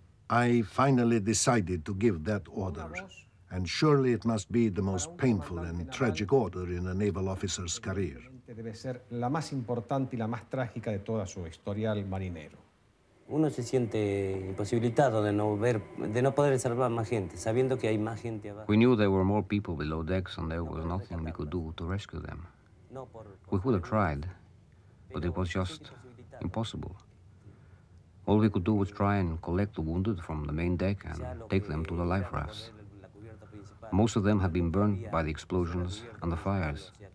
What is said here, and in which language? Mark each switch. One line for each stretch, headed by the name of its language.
English: I finally decided to give that order, and surely it must be the most painful and tragic order in a naval officer's career.
Spanish: Debe ser la más importante y la más trágica de toda su historial marinero. Uno se siente imposibilitado de no ver, de no poder salvar más gente, sabiendo que hay más gente abajo.
English: We knew there were more people below decks, and there was nothing we could do to rescue them. We could have tried, but it was just impossible. All we could do was try and collect the wounded from the main deck and take them to the life rafts. Most of them had been burned by the explosions and the fires.